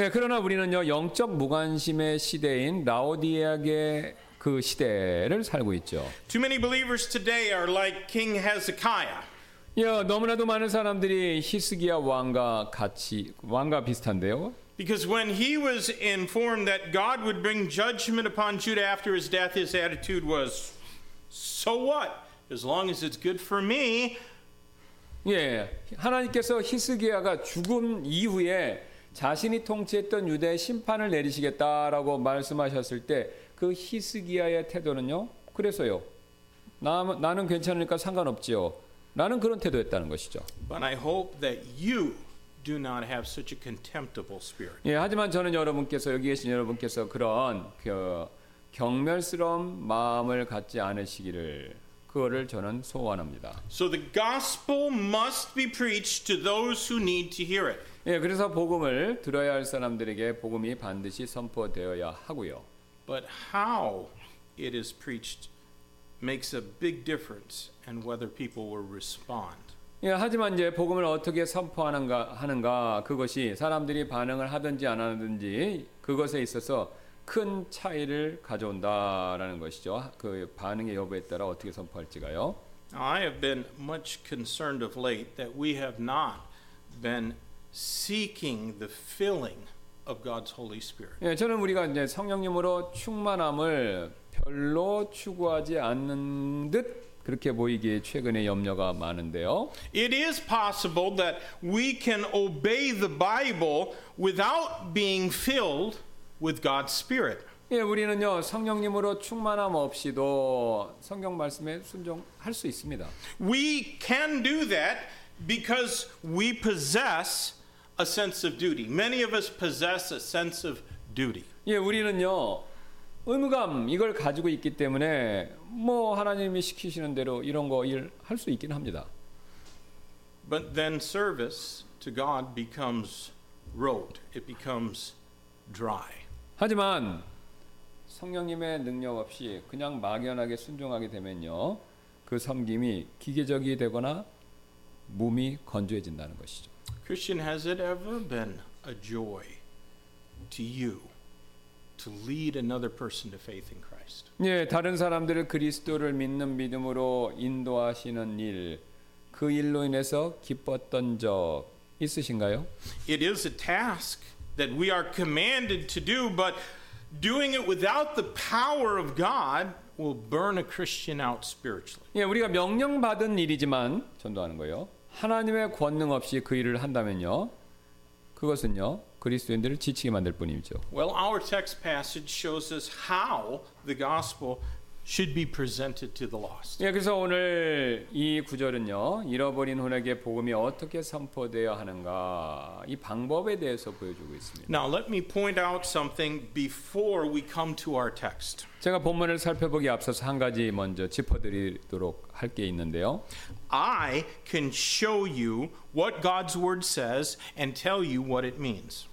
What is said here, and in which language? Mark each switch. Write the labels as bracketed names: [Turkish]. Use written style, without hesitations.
[Korean] 예, 그러나 우리는요 영적 무관심의 시대인 라오디아의 그 시대를 살고 있죠. [English] Too many believers today are like King Hezekiah. [Korean] 예, 너무나도 많은 사람들이 히스기야 왕과 같이 왕과 비슷한데요. [English] Because when he was informed that God would bring judgment upon Judah after his death, his attitude was, "So what?" As long as it's good for me. [Korean] 예, 하나님께서 히스기야가 죽음 이후에 자신이 통치했던 유대의 심판을 내리시겠다라고 말씀하셨을 때 그 히스기야의 태도는요. 그래서요. 나는 괜찮으니까 상관없지요. 나는 그런 태도였다는 것이죠. [English] But I hope that you do not have such a contemptible spirit. [Korean] 예, 하지만 저는 여러분께서 여기 계신 여러분께서 그런 그 경멸스러운 마음을 갖지 않으시기를 그거를 저는 소원합니다. [English] So the gospel must be preached to those who need to hear it. [Korean] 예, 그래서 복음을 들어야 할 사람들에게 복음이 반드시 선포되어야 하고요. [English] But how it is preached makes a big difference in whether people will respond. [Korean] 예, 하지만 이제 복음을 어떻게 선포하는가 그것이 사람들이 반응을 하든지 안 하든지 그것에 있어서 큰 차이를 가져온다라는 것이죠. 그 반응의 여부에 따라 어떻게 선포할지가요. [English] I have been much concerned of late that we have not been seeking the filling of God's Holy Spirit. [Korean] 예, 저는 우리가 이제 성령님으로 충만함을 별로 추구하지 않는 듯 그렇게 보이기에 최근에 염려가 많은데요. [English] It is possible that we can obey the Bible without being filled with God's Spirit. [Korean] 예, 우리는요 성령님으로 충만함 없이도 성경 말씀에 순종할 수 있습니다. [English] We can do that because we possess a sense of duty. Many of us possess a sense of duty. [Korean] 예, 우리는요 의무감 이걸 가지고 있기 때문에 뭐 하나님이 시키시는 대로 이런 거 일 할 수 있긴 합니다. [English] But then service to God becomes rote. It becomes dry. [Korean] 하지만 성령님의 능력 없이 그냥 막연하게 순종하게 되면요. 그 섬김이 기계적이 되거나 몸이 건조해진다는 것이죠. [English] Christian, has it ever been a joy to you to lead another person to faith in Christ? [Korean] 예, 다른 사람들을 그리스도를 믿는 믿음으로 인도하시는 일, 그 일로 인해서 기뻤던 적 있으신가요? [English] It is a task that we are commanded to do, but doing it without the power of God will burn a Christian out spiritually. [Korean] 예, 우리가 명령받은 일이지만 전도하는 거예요. 하나님의 권능 없이 그 일을 한다면요, 그것은요 그리스도인들을 지치게 만들 뿐이죠. [English] Well, our text passage shows us how the gospel should be presented to the lost. [Korean] 예, 그래서 오늘 이 구절은요 잃어버린 혼에게 복음이 어떻게 선포되어야 하는가 이 방법에 대해서 보여주고 있습니다. [English] Now let me point out something before we come to our text. [Korean] 제가 본문을 살펴보기 앞서서 한 가지 먼저 짚어드리도록 할 게 있는데요. [English] I can show you what God's word says and tell you what it means.